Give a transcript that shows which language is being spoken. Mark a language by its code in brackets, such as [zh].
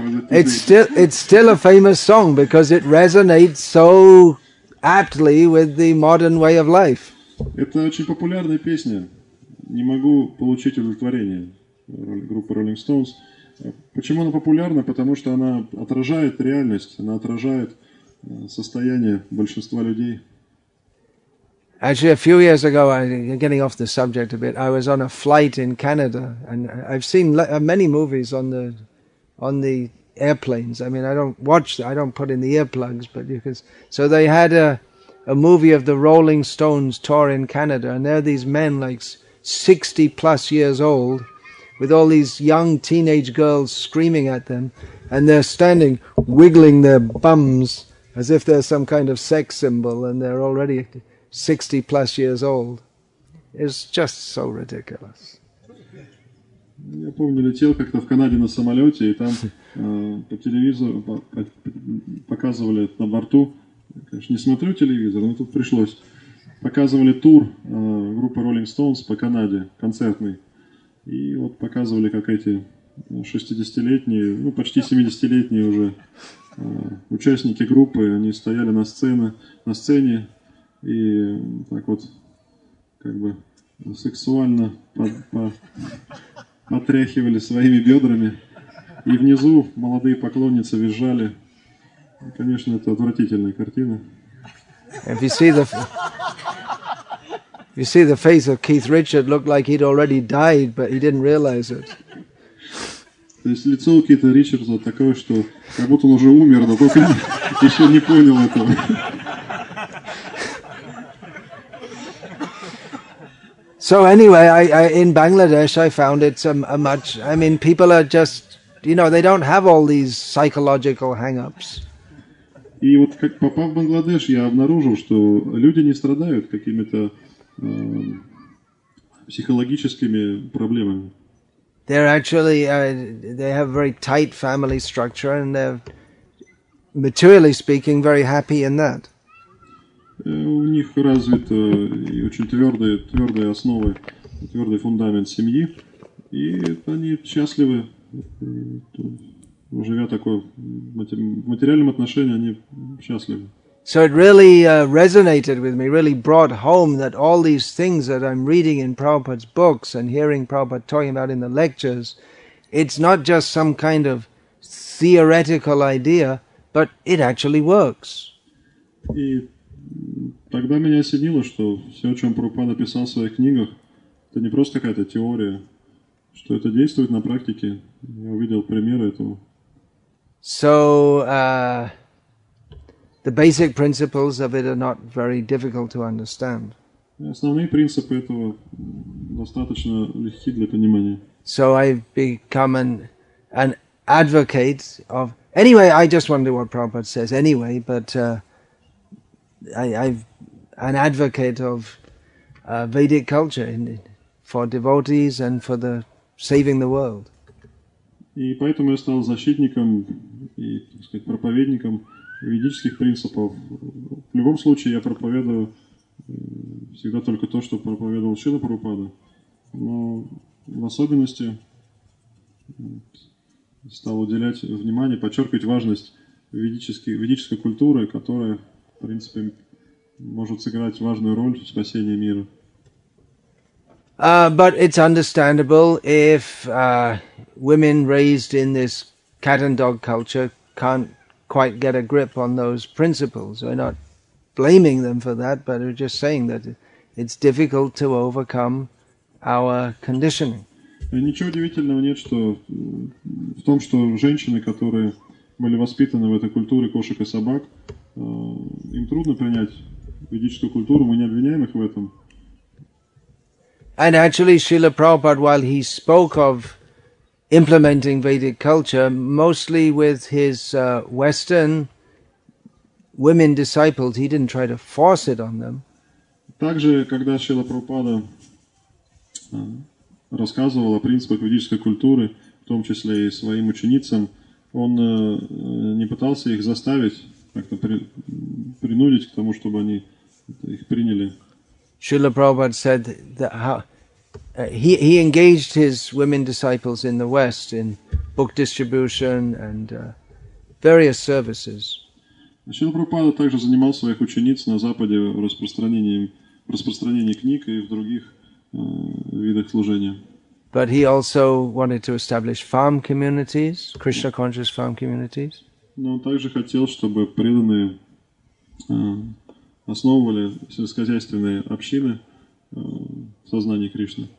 [en] It's still a famous song because it resonates so aptly with the modern way of life. [ru] Это очень популярная песня. Не могу получить удовлетворение группы Rolling Stones. Почему она популярна? Потому что она отражает реальность, она отражает состояние большинства людей. [en] Actually, a few years ago, getting off the subject a bit, I was on a flight in Canada, and I've seen many movies on the airplanes. I mean, I don't put in the earplugs, but you can. So they had a movie of the Rolling Stones tour in Canada, and there are these men like 60 plus years old, with all these young teenage girls screaming at them, and they're standing, wiggling their bums as if they're some kind of sex symbol, and they're already 60 plus years old. It's just so ridiculous. [ru] Я помню, летел как-то в Канаде на самолете, и там по телевизору показывали на борту. Конечно, не смотрю телевизор, но тут пришлось. Показывали тур группы Rolling Stones по Канаде, концертный. И вот показывали, как эти 60-летние, ну почти 70-летние уже участники группы, они стояли на сцене и так вот как бы сексуально потряхивали своими бедрами. И внизу молодые поклонницы визжали. И, конечно, это отвратительная картина. [en] You see, the face of Keith Richard looked like he'd already died, but he didn't realize it. [ru] То есть лицо у Кита Ричарда такое, что как будто он уже умер, но только еще не понял этого. [en] So anyway, I in Bangladesh I found it's a much. I mean, people are just, you know, they don't have all these psychological hang-ups. [ru] И вот как попав в Бангладеш, я обнаружил, что люди не страдают какими-то психологическими проблемами. [en] They're actually they have very tight family structure and they're materially speaking very happy in that. [ru] У них развита и очень твердая основа, твердый фундамент семьи, и они счастливы, живя такое в материальном отношении, они счастливы. [en] So it really resonated with me, really brought home that all these things that I'm reading in Prabhupada's books and hearing Prabhupada talking about in the lectures, it's not just some kind of theoretical idea, but it actually works. [ru] И тогда меня осенило, что все, о чем Прабхупада писал в своих книгах, это не просто какая-то теория, что это действует на практике. Я увидел примеры этого. [en] So, the basic principles of it are not very difficult to understand. [ru] Основные принципы этого достаточно легки для понимания. [en] So I've become an advocate of... Anyway, I just wonder what Prabhupada says anyway, but I've an advocate of Vedic culture for devotees and for the saving the world. [ru] И поэтому я стал защитником и, так сказать, проповедником ведических принципов. В любом случае, я проповедую всегда только то, что проповедовал Шрила Прабхупада. Но в особенности стал уделять внимание, подчеркивать важность ведической культуры, которая, в принципе, может сыграть важную роль в спасении мира. [en] But it's understandable if women raised in this cat and dog culture can't quite get a grip on those principles. We're not blaming them for that, but we're just saying that it's difficult to overcome our conditioning. [ru] Ничего удивительного нет, что в том, что женщины, которые были воспитаны в этой культуре кошек и собак, им трудно принять ведическую культуру, мы не обвиняем их в этом. [en] And actually, Srila Prabhupada, while he spoke of implementing Vedic culture, mostly with his Western women disciples, he didn't try to force it on them. [ru] Также, когда Шрила Прабхупада рассказывал о принципах ведической культуры, в том числе и своим ученицам, он не пытался их заставить, как-то принудить к тому, чтобы они их приняли. [en] Шрила Прабхупада said that how he engaged his women disciples in the West in book distribution and various services. [ru] Шрила Прабхупада также занимал своих учениц на Западе в распространении книг и в других видах служения. [en] But he also wanted to establish farm communities, Krishna conscious farm communities. [ru] Но он также хотел, чтобы преданные основывали сельскохозяйственные общины в сознании Кришны.